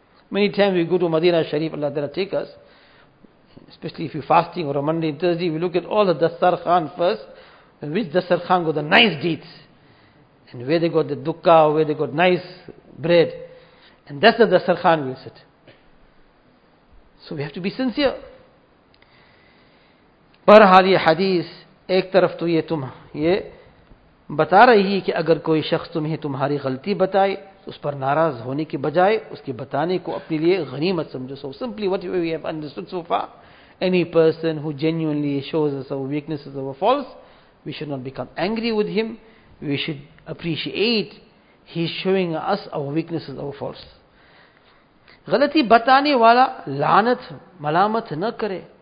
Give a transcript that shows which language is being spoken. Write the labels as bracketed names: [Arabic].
[English] Many times we go to Madinah Sharif, Allah Ta'ala take us. Especially if you're fasting or a Monday and Thursday, we look at all the dastarkhan first. And which dastarkhan got the nice deeds. And where they got the dukkha or where they got nice bread. And that's the dastarkhan we sit. So we have to be sincere. [Urdu] بہرحال یہ حدیث ایک طرف تو یہ بتا رہی ہے کہ اگر کوئی شخص تمہیں تمہاری غلطی بتائے اس پر ناراض ہونے کے بجائے اس کے بتانے کو اپنے لیے غنیمت سمجھو. [English] So simply what we have understood so far, any person who genuinely shows us our weaknesses, our faults, we should not become angry with him. We should appreciate he is showing us our weaknesses, our faults. [Urdu] غلطی بتانے والا لعنت ملامت نہ کرے.